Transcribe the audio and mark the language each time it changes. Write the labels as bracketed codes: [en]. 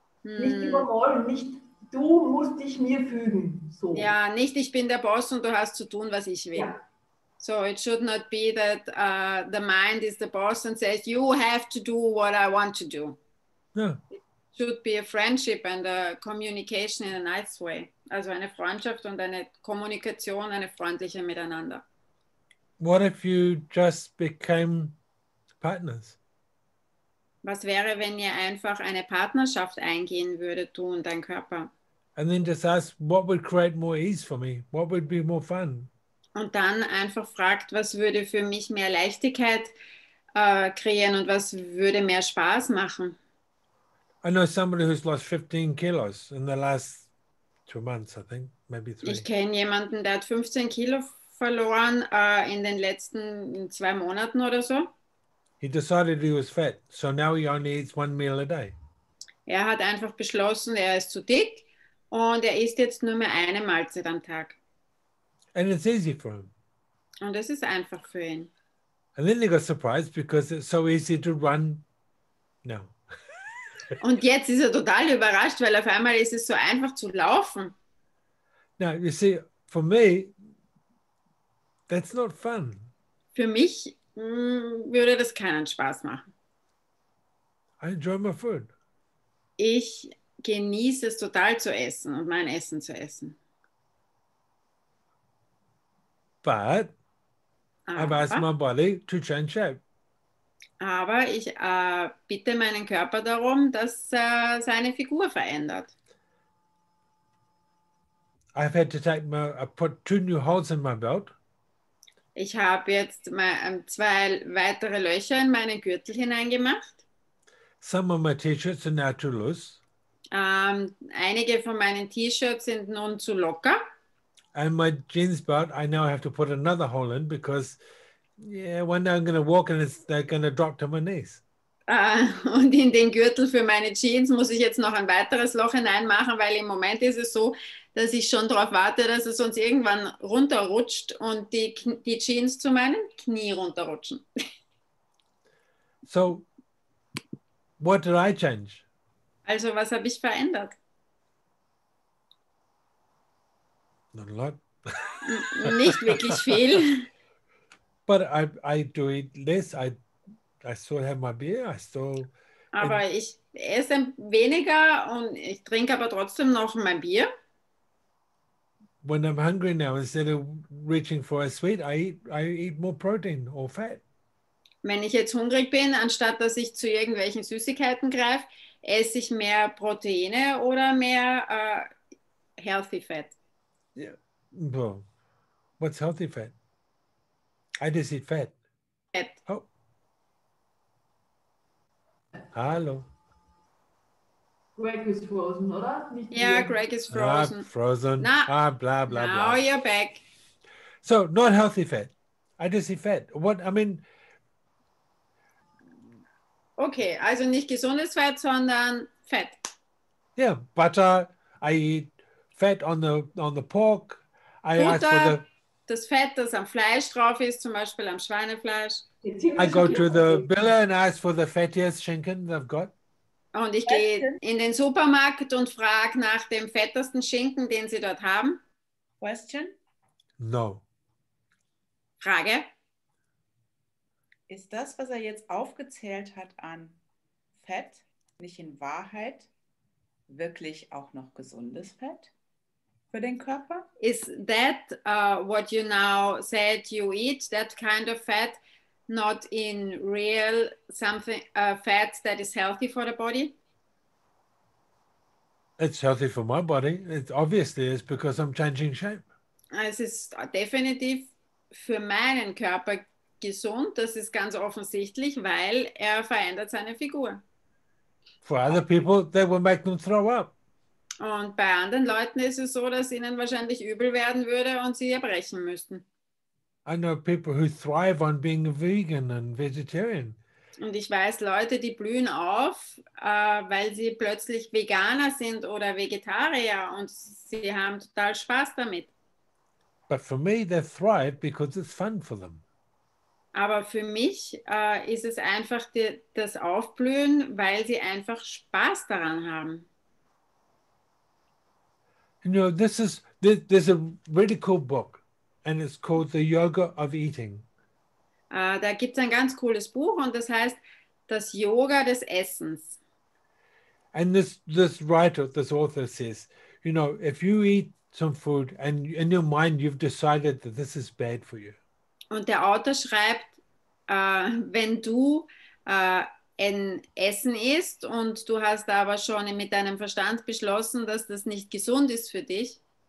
[de] Nicht überrollen, nicht du musst dich mir fügen. So. Ja, nicht ich bin der Boss und du hast zu tun, was ich will. Ja. [en] So it should not be that the mind is the boss and says, you have to do what I want to do. [de] Ja. [en] It should be a friendship and a communication in a nice way. [de] Also eine Freundschaft und eine Kommunikation, eine freundliche miteinander. [en] What if you just became partners? [de] Was wäre, wenn ihr einfach eine Partnerschaft eingehen würdet, du und dein Körper? [en] And then just ask, what would create more ease for me? What would be more fun? [de] Und dann einfach fragt, was würde für mich mehr Leichtigkeit kreieren und was würde mehr Spaß machen? [en] I know somebody who's lost 15 kilos in the last 2 months, I think, maybe 3. [de] Ich kenne jemanden, der hat 15 Kilo verloren in den letzten 2 Monaten oder so. [en] He decided he was fat, so now he only eats 1 meal a day. [de] Er hat einfach beschlossen, er ist zu dick und er isst jetzt nur mehr eine Mahlzeit am Tag. [en] And it's easy for him. [de] Und es ist einfach für ihn. [en] And then he got surprised because it's so easy to run now. [de] Und jetzt ist er total überrascht, weil auf einmal ist es so einfach zu laufen. [en] Now, you see, for me, that's not fun. [de] Für mich würde das keinen Spaß machen. [en] I enjoy my food. [de] Ich genieße es total zu essen und mein Essen zu essen. [en] But I've asked my body to change shape. [de] Aber ich bitte meinen Körper darum, dass seine Figur verändert. [en] I've had to take my, I put 2 new holes in my belt. [de] Ich habe jetzt 2 weitere Löcher in meinen Gürtel hineingemacht. [en] Some of my T-shirts are now too loose. [de] Einige von meinen T-Shirts sind nun zu locker. [en] And my jeans belt, I now have to put another hole in because, yeah, one day I'm going to walk and they're going to drop to my knees. [de] Und in den Gürtel für meine Jeans muss ich jetzt noch ein weiteres Loch hineinmachen, weil im Moment ist es so, dass ich schon darauf warte, dass es uns irgendwann runterrutscht und die Jeans zu meinem Knie runterrutschen. [en] So, what did I change? [de] Also, was habe ich verändert? [en] Not a lot. [de] Nicht wirklich viel. [en] But I do it less. I still have my beer. I still. [de] Aber ich esse weniger und ich trinke aber trotzdem noch mein Bier. [en] When I'm hungry now, instead of reaching for a sweet, I eat more protein or fat. [de] Wenn ich jetzt hungrig bin, anstatt dass ich zu irgendwelchen Süßigkeiten greife, esse ich mehr Proteine oder mehr [en] healthy fat. Yeah. Well, what's healthy fat? I just eat fat. Fat. Oh. [de] Hallo. [en] Greg is frozen, [de] oder? [en] Yeah, Greg is frozen. Frozen. Nah. Blah, blah, blah. Now you're back. So, not healthy fat. I just eat fat. What, I mean... [de] Okay, also nicht gesundes Fett, sondern Fett. [en] Yeah, butter. I eat fat on the pork. [de] Butter, das Fett, das am Fleisch drauf ist, zum Beispiel am Schweinefleisch. [en] I go to the biller and ask for the fattiest Schinken they've got. [de] Und ich gehe in den Supermarkt und frage nach dem fettesten Schinken, den sie dort haben. [en] Question? No. [de] Frage? Ist das, was er jetzt aufgezählt hat an Fett, nicht in Wahrheit wirklich auch noch gesundes Fett für den Körper? [en] Is that what you now said you eat, that kind of fat? Not in real something fat that is healthy for the body. It's healthy for my body. It obviously is because I'm changing shape. [de] Es ist definitiv für meinen Körper gesund. Das ist ganz offensichtlich, weil er verändert seine Figur. [en] For other people, that will make them throw up. [de] Und bei anderen Leuten ist es so, dass ihnen wahrscheinlich übel werden würde und sie erbrechen müssten. [en] I know people who thrive on being vegan and vegetarian. [de] Und ich weiß Leute, die blühen auf, weil sie plötzlich Veganer sind oder Vegetarier und sie haben total Spaß damit. [en] But for me, they thrive because it's fun for them. [de] Aber für mich ist es einfach das Aufblühen, weil sie einfach Spaß daran haben. [en] You know, there's a really cool book. And it's called The Yoga of Eating. [de] Da gibt's ein ganz cooles Buch und das heißt Das Yoga des Essens. [en] And this writer, this author says, you know, if you eat some food and in your mind you've decided that this is bad for you. [de] Und der Autor schreibt, wenn du ein Essen isst und du hast aber schon mit deinem Verstand beschlossen, dass das nicht gesund ist für dich.